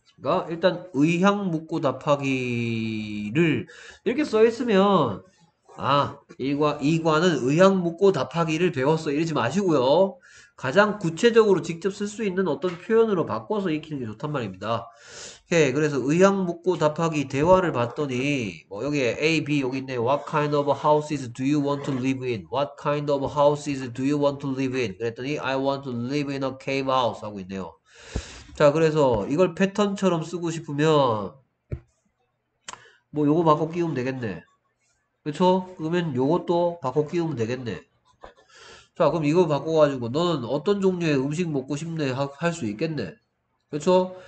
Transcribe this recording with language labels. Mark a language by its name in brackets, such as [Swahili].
[Korean] 그러니까 일단 의향 묻고 답하기를 이렇게 써 있으면 아 이과는 의향 묻고 답하기를 배웠어 이러지 마시고요. 가장 구체적으로 직접 쓸수 있는 어떤 표현으로 바꿔서 익히는 게 좋단 말입니다. 오케이, 그래서 의향 묻고 답하기 대화를 봤더니 뭐 여기에 A, B 여기 있네. [English] What kind of houses do you want to live in? What kind of houses do you want to live in? 그랬더니 I want to live in a cave house 하고 있네요. [Korean] 자, 그래서 이걸 패턴처럼 쓰고 싶으면 뭐 요거 바꿔 끼우면 되겠네. 그쵸? 그러면 요것도 바꿔 끼우면 되겠네. 자, 그럼 이거 바꿔가지고 너는 어떤 종류의 음식 먹고 싶네 할수 있겠네. 그렇죠?